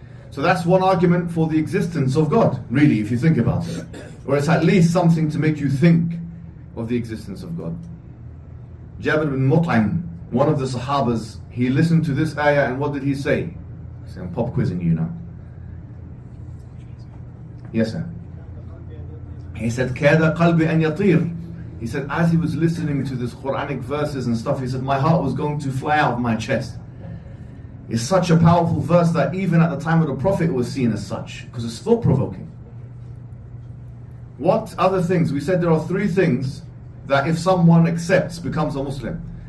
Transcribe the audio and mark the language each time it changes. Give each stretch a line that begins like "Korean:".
English: So that's one argument for the existence of God, really, if you think about it. Or it's at least something to make you think of the existence of God. Jabir bin Mut'im, one of the Sahabas, he listened to this ayah and what did he say? He said, I'm pop quizzing you now. Yes, sir. He said,
Arabic: كَادَ قَلْبِ أَنْ يَطِيرُ.
English: He said, as he was listening to this Quranic verses and stuff, he said, my heart was going to fly out of my chest. It's such a powerful verse that even at the time of the Prophet it was seen as such, because it's thought-provoking. What other things? We said there are three things that if someone accepts, becomes a Muslim.